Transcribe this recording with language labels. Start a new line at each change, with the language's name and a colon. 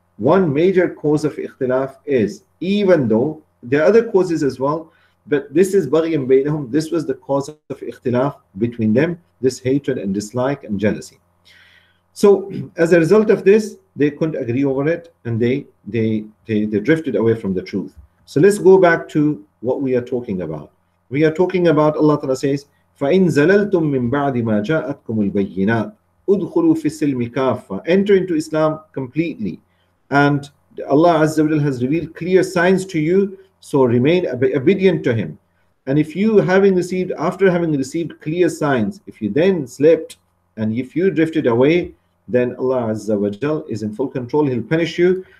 English: One major cause of ikhtilaf is, even though there are other causes as well, but this is
Arabic: baghyan bainahum,
English: this was the cause of ikhtilaf between them, this hatred and dislike and jealousy. So as a result of this, they couldn't agree over it, and they drifted away from the truth. So let's go back to what we are talking about. We are talking about, Allah Ta'ala says,
Arabic: فَإِنْ زَلَلْتُمْ مِنْ بَعْدِ مَا جَاءَتْكُمُ الْبَيِّنَاتِ أُدْخُلُوا فِي السِّلْمِ كَافَّةِ.
English: Enter into Islam completely. And Allah Azza wa Jalla has revealed clear signs to you, so remain obedient to Him. And if you, after having received clear signs, if you then slipped, and if you drifted away, then Allah Azza wa Jalla is in full control. He'll punish you.